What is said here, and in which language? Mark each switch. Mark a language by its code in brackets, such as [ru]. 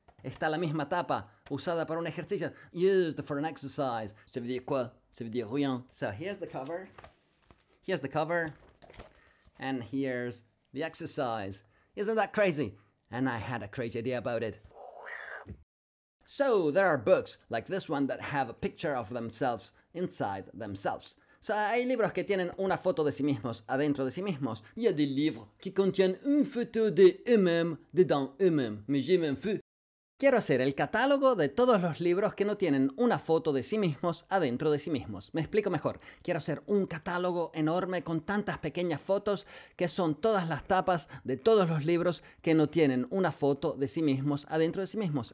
[es] Está la misma tapa, usada para un ejercicio, [en] used for an exercise. [fr] Ça veut dire quoi? Ça veut dire rien. [en] So here's the cover. Here's the cover. And here's the exercise. Isn't that crazy? And I had a crazy idea about it. So, there are books, like this one, that have a picture of themselves inside themselves. [es] So, hay libros que tienen una foto de sí mismos adentro de sí mismos. Y hay [fr] des livres qui contiennent une photo de eux-mêmes dedans eux-mêmes. Mais je m'en fous. [es] Quiero hacer el catálogo de todos los libros que no tienen una foto de sí mismos adentro de sí mismos. Me explico mejor. Quiero hacer un catálogo enorme con tantas pequeñas fotos que son todas las tapas de todos los libros que no tienen una foto de sí mismos adentro de sí mismos.